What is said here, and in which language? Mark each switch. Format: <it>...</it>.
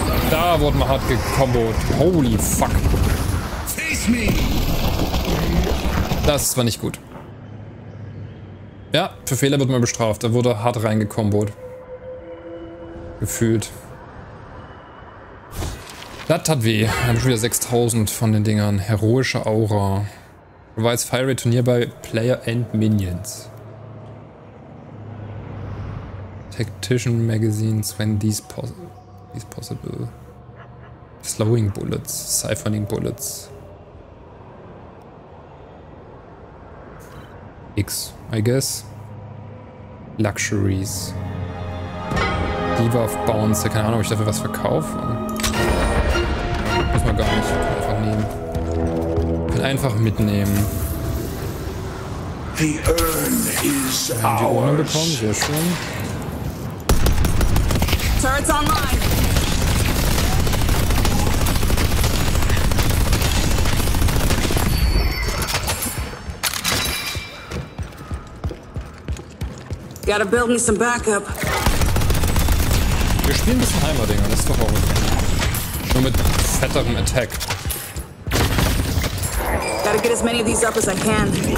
<de>Da wurde mal hart gekombot.</de> <en>Holy fuck. Face me.</en> <de>Das war nicht gut. Ja, für Fehler wird man bestraft. Da wurde hart reingekombot. Gefühlt. Das tat weh. Wir haben schon wieder 6000 von den Dingern. Heroische Aura.</de> <en>Provides Fire Rate to nearby Player and Minions. Tactician Magazines when these possible. Slowing Bullets. Siphoning Bullets. X, I guess. Luxuries. Debuff Bounce.</en> <de>Keine Ahnung, ob ich dafür was verkaufe. Muss man gar nicht. Kann einfach nehmen. Kann einfach mitnehmen.</de> <en>The urn is ours.</en> <de>Haben die Urne bekommen? Sehr schön.</de> <en>Turrets online. Gotta build me some backup.</en> <de>Wir spielen ein bisschen Heimerdinger, das ist doch auch okay. Nur mit fetterem Attack.</de> <en>Gotta get as many of these up as I can.</en>